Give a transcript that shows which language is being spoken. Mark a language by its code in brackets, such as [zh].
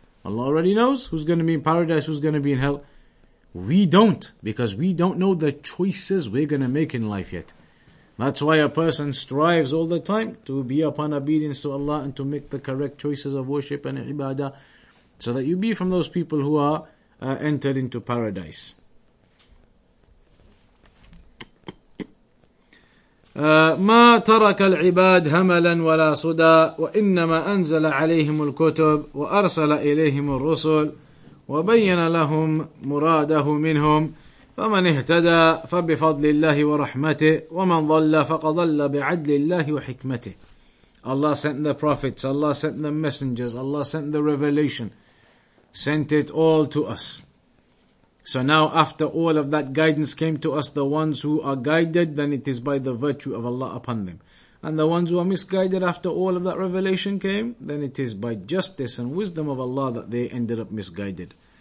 [en] Allah already knows who's going to be in paradise, who's going to be in hell. We don't, because we don't know the choices we're going to make in life yet. That's why a person strives all the time to be upon obedience to Allah and to make the correct choices of worship and ibadah. so that you be from those people who are entered into paradise. [ar] ما ترك العباد هملا ولا صدا وإنما أنزل عليهم الكتب وأرسل إليهم الرسل وبين لهم مراده منهم فمن اهتدى فبفضل الله ورحمته ومن ضل فقد ضل بعدل الله وحكمته. [en] Allah sent the prophets, Allah sent the messengers, Allah sent the revelation, sent it all to us. So now after all of that guidance came to us, the ones who are guided, then it is by the virtue of Allah upon them. And the ones who are misguided after all of that revelation came, then it is by justice and wisdom of Allah that they ended up misguided.